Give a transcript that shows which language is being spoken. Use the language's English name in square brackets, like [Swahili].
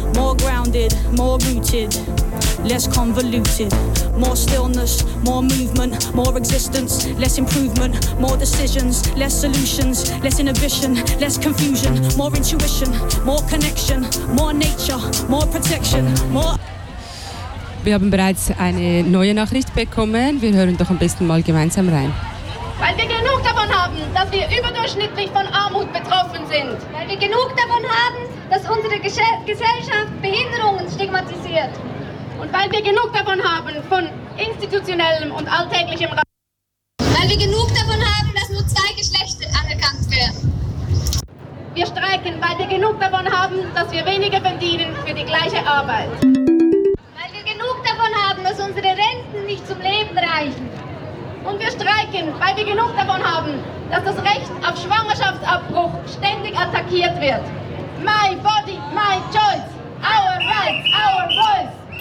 [English] More grounded, more rooted, less convoluted. More stillness, more movement, more existence, less improvement, more decisions, less solutions, less inhibition, less confusion, more intuition, more connection, more nature, more protection, more. [German] Wir haben bereits eine neue Nachricht bekommen. Wir hören doch am besten mal gemeinsam rein. Weil wir genug davon haben, dass wir überdurchschnittlich von Armut betroffen sind. Weil wir genug davon haben, dass unsere Gesellschaft Behinderungen stigmatisiert. Und weil wir genug davon haben, von institutionellem und alltäglichem Weil wir genug davon haben, dass nur zwei Geschlechter anerkannt werden. Wir streiken, weil wir genug davon haben, dass wir weniger verdienen für die gleiche Arbeit. Weil wir genug davon haben, dass unsere Renten nicht zum Leben reichen. Und wir streiken, weil wir genug davon haben, dass das Recht auf Schwangerschaftsabbruch ständig attackiert wird. [English] My body, my choice, our rights, our voice.